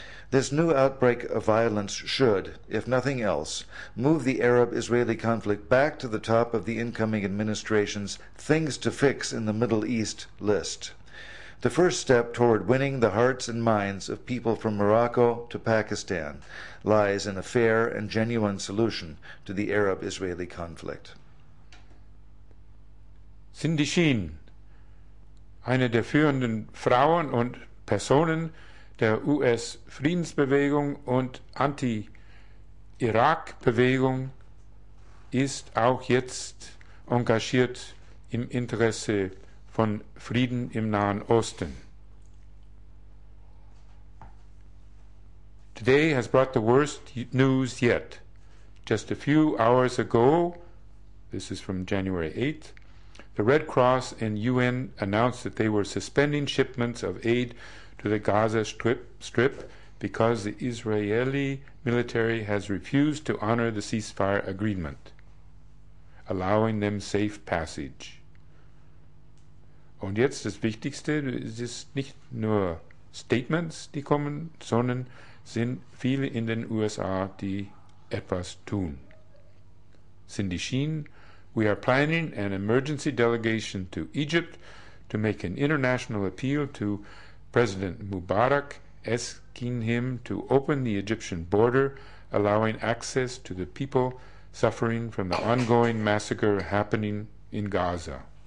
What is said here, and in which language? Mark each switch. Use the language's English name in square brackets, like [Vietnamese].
[English] This new outbreak of violence should, if nothing else, move the Arab-Israeli conflict back to the top of the incoming administration's things to fix in the Middle East list. The first step toward winning the hearts and minds of people from Morocco to Pakistan lies in a fair and genuine solution to the Arab-Israeli conflict. [German] Cindy Sheen, eine der führenden Frauen und Personen der US-Friedensbewegung und Anti-Irak-Bewegung, ist auch jetzt engagiert im Interesse von Frieden im Nahen Osten. [English] Today has brought the worst news yet. Just a few hours ago, this is from January 8th, the Red Cross and UN announced that they were suspending shipments of aid to the Gaza Strip because the Israeli military has refused to honor the ceasefire agreement, allowing them safe passage. [German] Und jetzt das Wichtigste, es ist nicht nur Statements, die kommen, sondern sind viele in den USA, die etwas tun. [English] Cindy Sheen, we are planning an emergency delegation to Egypt to make an international appeal to President Mubarak, asking him to open the Egyptian border, allowing access to the people suffering from the ongoing massacre happening in Gaza.